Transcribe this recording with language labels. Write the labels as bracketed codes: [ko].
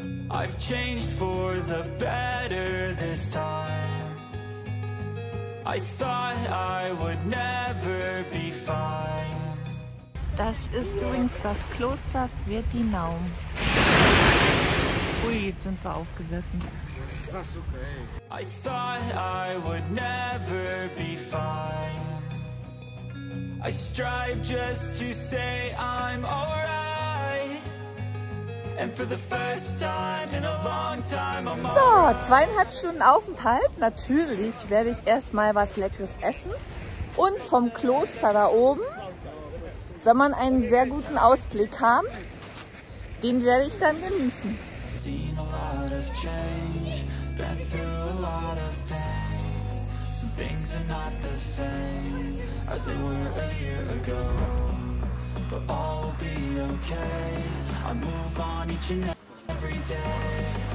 [en] I've changed for the better this time. I thought I would never be fine. [de] Das ist übrigens das Kloster Svetinau. Ui, jetzt sind wir aufgesessen. Das ist okay. [en] I thought I would never be fine. I strive just to say I'm alright. And for the first time in a long time I'm [de] so, 2,5 Stunden Aufenthalt. Natürlich werde ich erstmal was Leckeres essen. Und vom Kloster da oben soll man einen sehr guten Ausblick haben. Den werde ich dann genießen. [en] Seen a lot of change, been through a lot of pain. Some things are not the same as they were a year ago. But all will be okay, I move on each and every day.